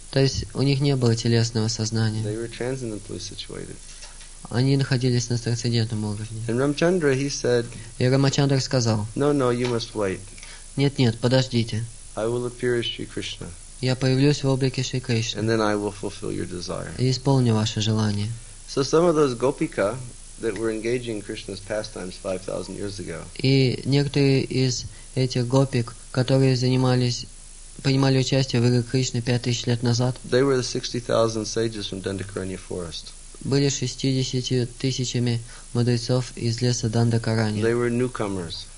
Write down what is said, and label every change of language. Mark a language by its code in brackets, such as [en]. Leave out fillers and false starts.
[ru] То есть у них не было телесного сознания. [en] They were transcendently situated. [ru] Они находились на трансцендентном уровне. [en] And Ramchandra, he said. [ru] И Рамачандра сказал. [en] No, you must wait. [ru] Нет, подождите. [en] I will appear as Sri Krishna. [ru] Я появлюсь в облике Шри Кришны. [en] And then I will fulfill your desire. [ru] И исполню ваше желание. [en] So some of those Gopika that were engaging Krishna's pastimes 5,000 years ago. [ru] И некоторые из этих гопик, которые занимались принимали участие в играх Кришны 5000 лет назад. [en] They were the 60,000 sages from Dandakaranya forest. [ru] Были 60,000 мудрецов из леса Дандакаранья. [en] They were newcomers.